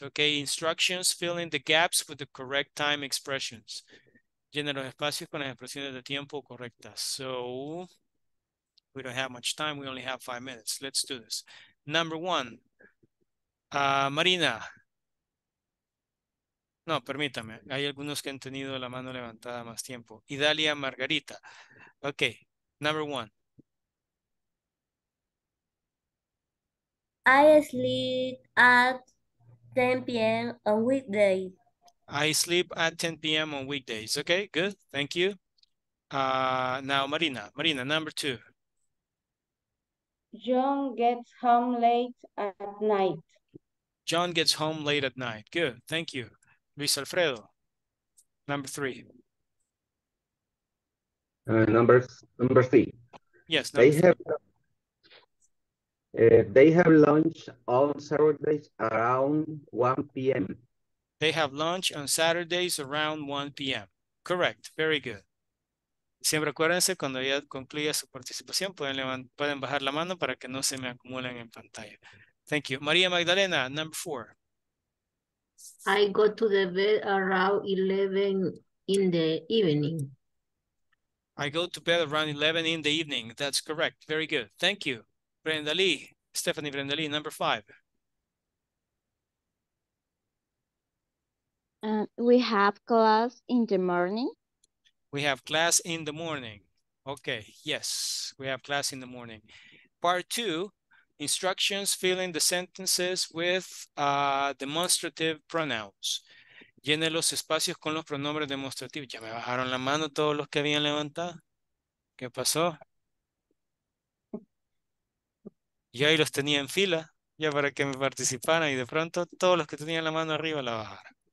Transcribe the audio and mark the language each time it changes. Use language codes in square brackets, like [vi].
[en] Okay, instructions, fill in the gaps with the correct time expressions. [es] Llena los espacios con las expresiones de tiempo correctas. [en] So, we don't have much time. We only have 5 minutes. Let's do this. Number one, Marina. [es] No, permítame. Hay algunos que han tenido la mano levantada más tiempo. [en] Idalia Margarita. Ok, number one. I sleep at 10 p.m. on weekdays. I sleep at 10 p.m. on weekdays. Ok, good. Thank you. Now, Marina. Marina, number two. John gets home late at night. John gets home late at night. Good. Thank you. Luis Alfredo, number three. Number three. Yes, number three. They have lunch on Saturdays around 1 p.m. They have lunch on Saturdays around 1 p.m. Correct. Very good. [es] Siempre acuérdense, cuando ya concluya su participación, pueden bajar la mano para que no se me acumulen en pantalla. [en] Thank you. María Magdalena, number four. I go to the bed around 11 in the evening. I go to bed around 11 in the evening. That's correct. Very good. Thank you. Brenda Lee, Stephanie Brenda Lee, number five. We have class in the morning. We have class in the morning. Okay, yes, we have class in the morning. Part two, instructions filling the sentences with demonstrative pronouns. [es] Llene los espacios con los pronombres demostrativos. ¿Ya me bajaron la mano todos los que habían levantado? ¿Qué pasó? Yo ahí los tenía en fila, ya para que me participaran, y de pronto todos los que tenían la mano arriba la bajaron.